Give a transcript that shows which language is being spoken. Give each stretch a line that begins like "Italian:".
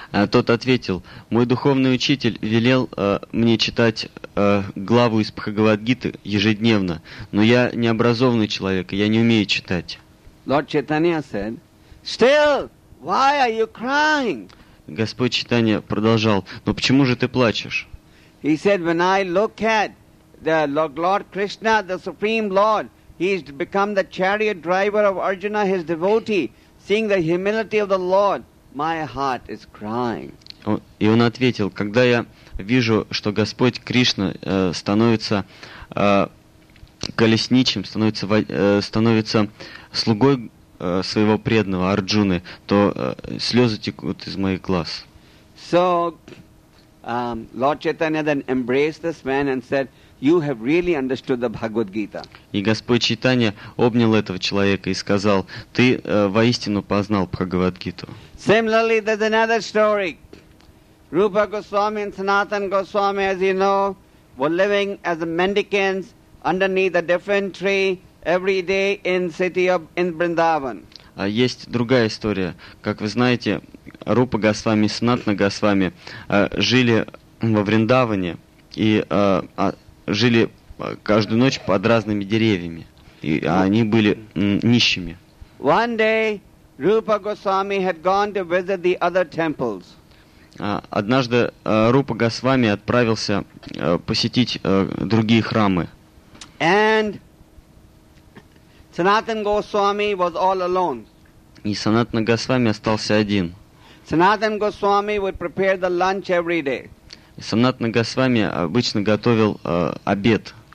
Russian: Тот ответил, мой духовный учитель велел мне читать главу из Бхагавад-гиты ежедневно, но я не образованный человек, я не умею читать.
English: Lord Chaitanya said, still, why are you crying?
Russian: Господь Чайтанья продолжал, но почему же ты плачешь?
English: He said, when I look at the Lord Krishna, the Supreme Lord, he's become the chariot driver of Arjuna, his devotee. Seeing the humility of the Lord, my heart is crying.
Russian: И он ответил, когда я вижу, что Господь Кришна становится колесничим, становится слугой своего преданного Арджуны, то слезы текут из моих глаз.
English: So, Lord Chaitanya then embraced this man and said, you have really understood the Bhagavad Gita.
Russian: И Господь Чайтанья обнял этого человека и сказал, ты воистину познал Бхагавад Гиту.
English: Similarly, there's another story. Rupa Goswami and Sanatana Goswami, as you know, were living as a mendicants underneath a different tree every day in city of Vrindavan.
Russian: есть другая история. Как вы знаете, Рупа Госвами и Санатана Госвами жили во Вриндаване и жили каждую ночь под разными деревьями. И они были нищими.
English: One day, Rupa Goswami had gone to visit the other temples.
Russian: Однажды Рупа Госвами отправился посетить другие храмы.
English: And Sanatan Goswami was all alone.
Russian: И Санатана Госвами остался один.
English: Sanatan Goswami would prepare the lunch every day.
Russian: Санатана Госвами обычно готовил обед.